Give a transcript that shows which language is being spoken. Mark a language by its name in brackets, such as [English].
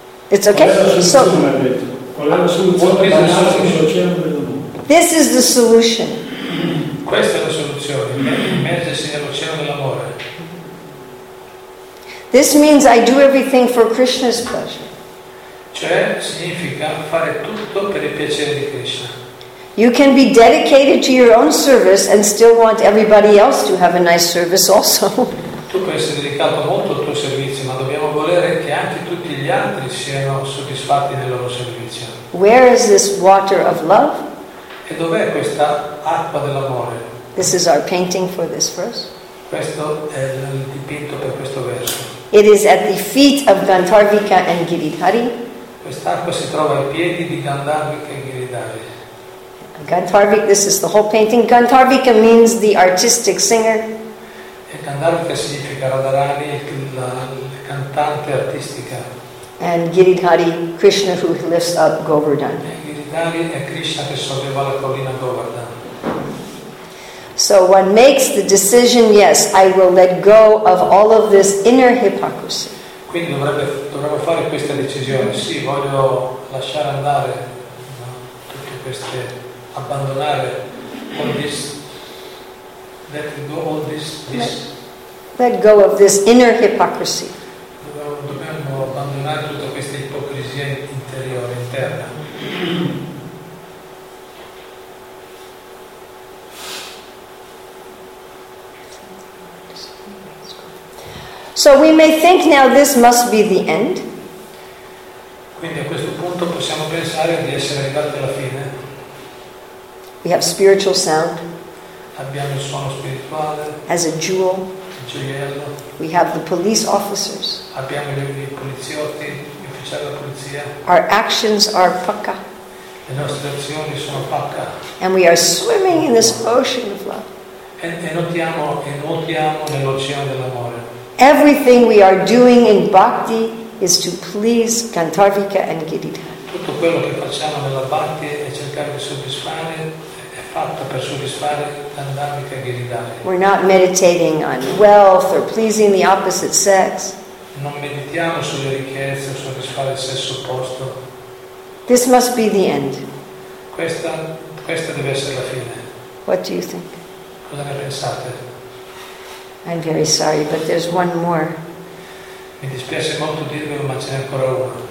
[English] It's okay. So what is the solution? This is the solution. [Italian] Questa è la soluzione, immergersi nell'oceano dell'amore. [English] This means I do everything for Krishna's pleasure. [Italian] Cioè significa fare tutto per il piacere di Krishna. [English] You can be dedicated to your own service and still want everybody else to have a nice service also. [Italian] Tu puoi essere dedicato molto al tuo servizio, ma dobbiamo volere che anche tutti gli altri siano soddisfatti nel loro servizio. [English] Where is this water of love? [Italian] E dov'è questa acqua dell'amore? [English] This is our painting for this verse. [Italian] Questo è il dipinto per questo verso. [English] It is at the feet of Gandharvika and Giridhari. [Italian] Quest'acqua si trova ai piedi di Gandharvika e Giridhari. [English] Gandharvika, this is the whole painting. Gandharvika means the artistic singer. [Italian] E Gandharvika significa Radharani, la cantante artistica. [English] And Giridhari, Krishna who lifts up Govardhan. [Italian] E Giridhari è Krishna che solleva la collina Govardhan. [English] So one makes the decision, yes, I will let go of all of this inner hypocrisy. [Italian] Quindi dovrebbe fare questa decisione, sì, voglio lasciare andare, no? Tutte queste, abbandonare [English] let go of this inner hypocrisy. [Italian] Dobbiamo abbandonare tutta questa ipocrisia interiore, interna. [English] So we may think now this must be the end. [Italian] Quindi a questo punto possiamo pensare di essere arrivati alla fine. [English] We have spiritual sound. [Italian] Abbiamo il suono spirituale. [English] As a jewel. [Italian] Il gioiello. [English] We have the police officers. [Italian] Abbiamo i poliziotti, gli ufficiali della polizia. [English] Our actions are pacca. [Italian] Le nostre azioni sono pacca. [English] And we are swimming in this ocean of love. [Italian] E nuotiamo nell'oceano dell'amore. [English] Everything we are doing in bhakti is to please Gandharvika and Giridhara. [Italian] Tutto quello che facciamo nella bhakti è cercare di soddisfare, è fatto per soddisfare Gandharvika e Giridhara. [English] We're not meditating on wealth or pleasing the opposite sex. [Italian] Non meditiamo sulle ricchezze o soddisfare il sesso opposto. [English] This must be the end. [Italian] Questa deve essere la fine. [English] What do you think? [Italian] Cosa ne pensate? [English] I'm very sorry, but there's one more. [Italian] Mi dispiace molto dirvelo, ma ce n'è ancora uno.